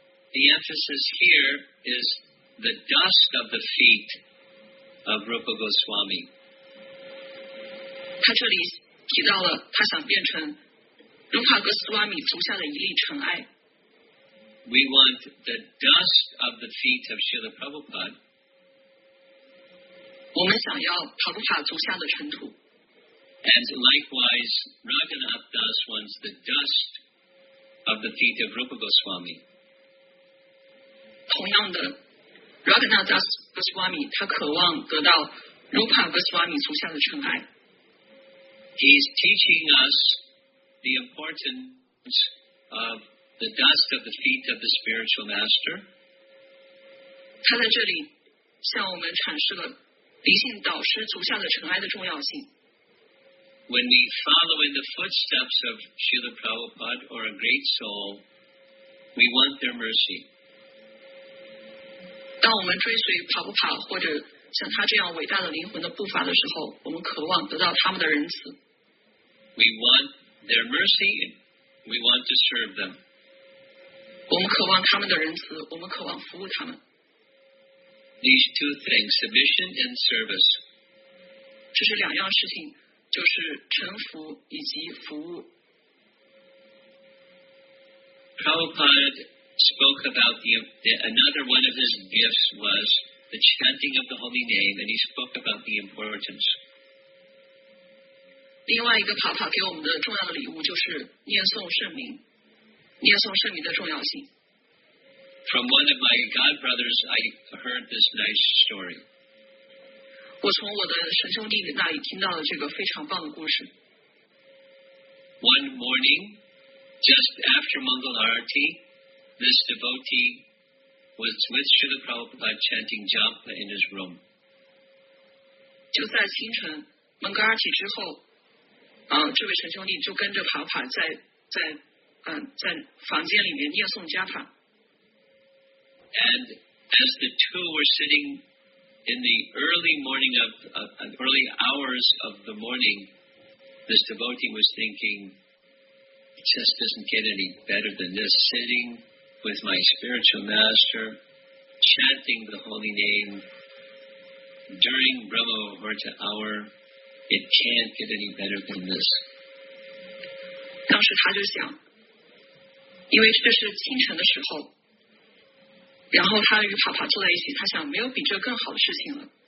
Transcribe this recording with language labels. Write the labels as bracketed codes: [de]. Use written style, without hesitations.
[en] The emphasis here is the dust of the feet of Rupa Goswami. [zh] 他这里提到了他想变成 Rupa Goswami 足下的一粒尘埃。 [en] We want the dust of the feet of Srila Prabhupada. [zh] 我们想要塔鲁帕足下的尘土。 [en] And likewise, Raghunath Das wants the dust of the feet of Rupa Goswami. [zh] 同样的 Raghunath Das Goswami 他渴望得到 Rupa Goswami 足下的尘埃。 [en] He's teaching us the importance of the dust of the feet of the spiritual master. [zh] 他在这里向我们阐释了灵性导师足下的尘埃的重要性。 [en] When we follow in the footsteps of Srila Prabhupada or a great soul, we want their mercy. [zh] 当我们追随跑不跑或者像他这样伟大的灵魂的步伐的时候，我们渴望得到他们的仁慈。 [en] We want their mercy. We want to serve them. [zh] 我们渴望他们的仁慈，我们渴望服务他们。 [en] These two things, submission and service. [zh] 这是两样事情，就是臣服以及服务。 [en] Prabhupada spoke about another one of his gifts was the chanting of the holy name, and he spoke about the importance. [zh] 另外一个跑跑给我们的重要的礼物就是念诵圣名，念诵圣名的重要性。 [en] From one of my god brothers, I heard this nice story. [zh] 我从我的神兄弟那里听到了这个非常棒的故事。 [en] One morning, just after Mangal Arati. This devotee was with Srila Prabhupada chanting japa in his room. [zh] 就在清晨蒙格阿提之后，这位神兄弟就跟着帕帕在房间里面念诵加帕。 [en] And as the two were sitting in the early morning of early hours of the morning, this devotee was thinking, it just doesn't get any better than this sitting with my spiritual master chanting the holy name during Brahma Muhurta hour, it can't get any better than this. [zh] 当时他就想，因为这是清晨的时候，然后他与帕帕坐在一起，他想没有比这更好的事情了。